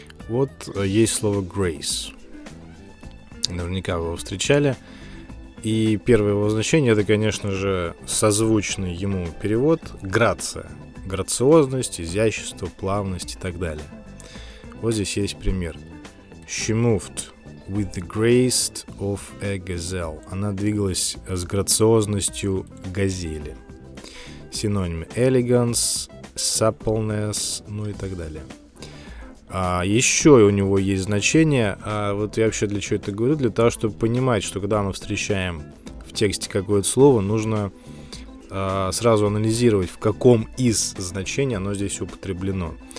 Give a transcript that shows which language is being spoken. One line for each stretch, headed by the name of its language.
Russian: Вот есть слово grace. Наверняка вы его встречали. И первое его значение — это, конечно же, созвучный ему перевод — грация. Грациозность, изящество, плавность и так далее. Вот здесь есть пример.
English: She moved with the grace of a gazelle.
Russian: Она двигалась с грациозностью газели. Синонимы elegance, suppleness, ну и так далее. А еще у него есть значение. А вот я вообще для чего это говорю? Для того, чтобы понимать, что когда мы встречаем в тексте какое-то слово, нужно сразу анализировать, в каком из значений оно здесь употреблено.